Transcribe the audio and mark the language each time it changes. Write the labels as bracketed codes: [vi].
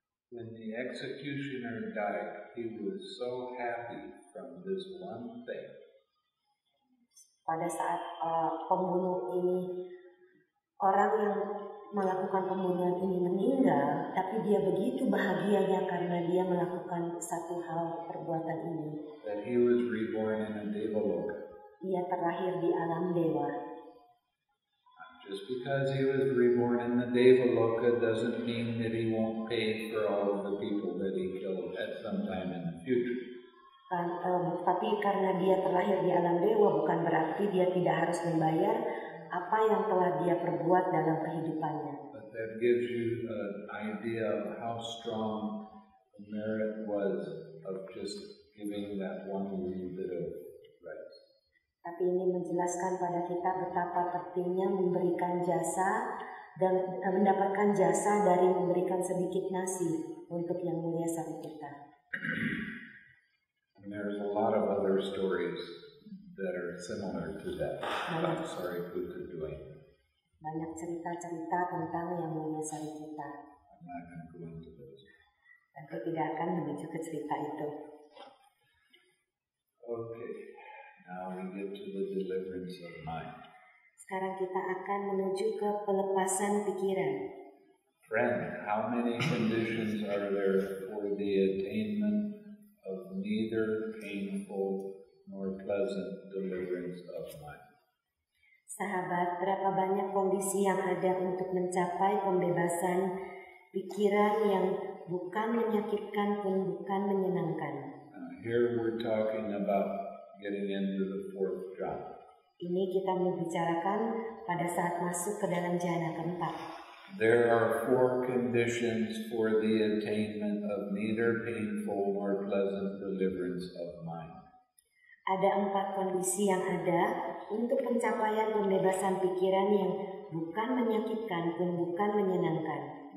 [en] When the executioner died, he was so happy from this one thing. [id] Pada saat pembunuh ini, orang yang melakukan pembunuhan ini meninggal, tapi dia begitu bahagianya karena dia melakukan satu hal perbuatan ini. [en] That he was reborn in a devaloka. [id] Ia terlahir di alam dewa. [en] Just because he was reborn in the devaloka doesn't mean that he won't pay for all of the people that he killed at some time in the future. [id] Tapi karena dia terlahir di alam dewa, bukan berarti dia tidak harus membayar apa yang telah dia perbuat dalam kehidupannya. [en] But that gives you an idea of how strong the merit was of just giving that one little bit of rice. [id] Tapi ini menjelaskan pada kita betapa pentingnya memberikan jasa dan mendapatkan jasa dari memberikan sedikit nasi untuk Yang Mulia Sariputta. [en] And there's a lot of other stories that are similar to that. I'm sorry, Buddha doing. [id] Banyak cerita-cerita tentang Yang Mulia Sariputta. [en] I'm not going to go into those. [id] Tentu tidak akan menuju ke cerita itu. [en] Okay, now we get to the deliverance of mind. [id] Sekarang kita akan menuju ke pelepasan pikiran. [en] Friend, how many conditions are there for the attainment of neither painful nor pleasant deliverance of mind? [id] Sahabat, berapa banyak kondisi yang ada untuk mencapai pembebasan pikiran yang bukan menyakitkan pun bukan menyenangkan? [en] Here we're talking about getting into the fourth jhana. [id] Ini kita membicarakan pada saat masuk ke dalam jhana keempat. [en] There are four conditions for the attainment of neither painful nor pleasant deliverance of mind. [id] Ada empat kondisi yang ada untuk pencapaian pembebasan pikiran yang bukan menyakitkan pun bukan menyenangkan.